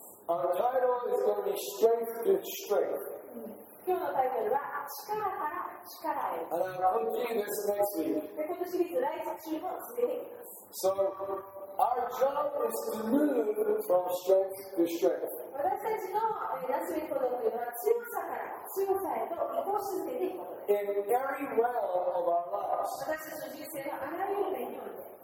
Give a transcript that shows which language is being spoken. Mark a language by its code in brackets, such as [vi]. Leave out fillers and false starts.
[en] Our title is going to be Strength to Strength. [ja] 力から力へ。 [en] And I'm continuing this next week. [ja] で、このシリーズ来週も続けていきます。 [en] So, our job is to move from strength to strength. [ja] 私たちのなすべきことというのは強さから強さへと移行し続けていくことです。 [en] In every realm of our lives. [ja] 私たちの人生のあらゆる面において。